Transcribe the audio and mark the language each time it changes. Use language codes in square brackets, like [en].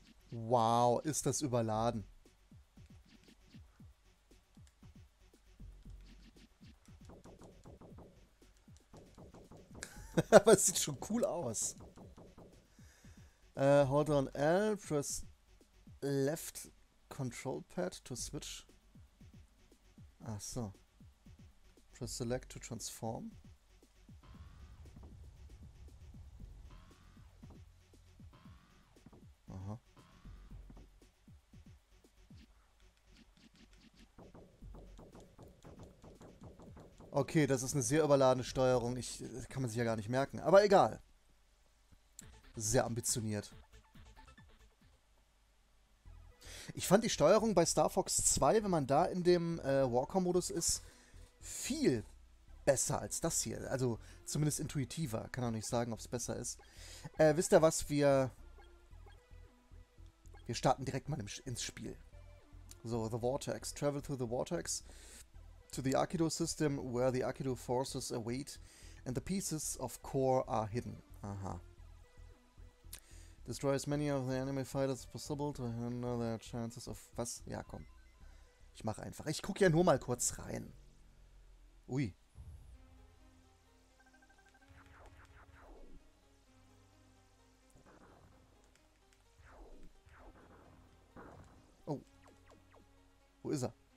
[de] Wow, ist das überladen. Aber es sieht schon cool aus. [en] Hold on L, press Left Control Pad to switch. [de] Ach so. [en] Press Select to transform. [de] Okay, das ist eine sehr überladene Steuerung. Das kann man sich ja gar nicht merken. Aber egal. Sehr ambitioniert. Ich fand die Steuerung bei Star Fox 2, wenn man da in dem Walker-Modus ist, viel besser als das hier. Also zumindest intuitiver. Kann auch nicht sagen, ob es besser ist. Wisst ihr was? Wir starten direkt mal ins Spiel. [en] So, The Vortex. Travel through the Vortex. To the Akido System, where the Akido forces await and the pieces of core are hidden. Aha. Destroy as many of the enemy fighters as possible to hinder their chances of. [de] Was? Ja, komm. Ich mach einfach. Ich guck ja nur mal kurz rein. Ui. Wo ist er?